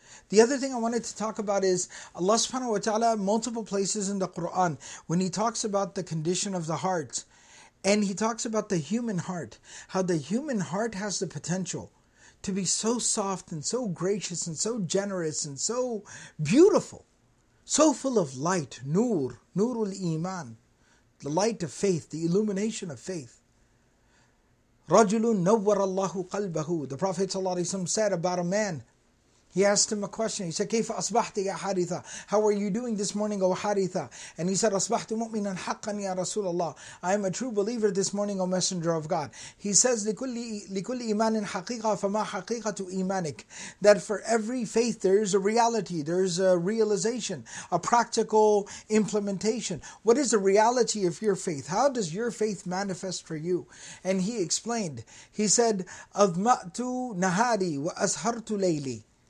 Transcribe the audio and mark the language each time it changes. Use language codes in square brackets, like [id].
[en] The other thing I wanted to talk about is Allah subhanahu wa ta'ala, multiple places in the Quran, when He talks about the condition of the heart, and He talks about the human heart, how the human heart has the potential to be so soft and so gracious and so generous and so beautiful, so full of light, nur, nurul iman, the light of faith, the illumination of faith. [ar] رَجُلٌ نَوَّرَ اللَّهُ قَلْبَهُ. [en] The Prophet ﷺ said about a man, he asked him a question. He said, [ar] كَيْفَ أَصْبَحْتِ يَا حَارِثَ. [en] How are you doing this morning, O Haritha? And he said, [ar] أَصْبَحْتُ مُؤْمِنًا حَقًّا يَا رَسُولَ اللَّهِ. [en] I am a true believer this morning, O Messenger of God. He says, [ar] لِكُلِّ إِيمَانٍ حَقِيقَةٌ فَمَا حَقِيقَةُ إِيمَانِكَ. [en] That for every faith there is a reality, there is a realization, a practical implementation. What is the reality of your faith? How does your faith manifest for you? And he explained, he said, [ar] أَضْمَأْتُ نَهَارِي وَأَسْهَرْتُ لَيْلِي.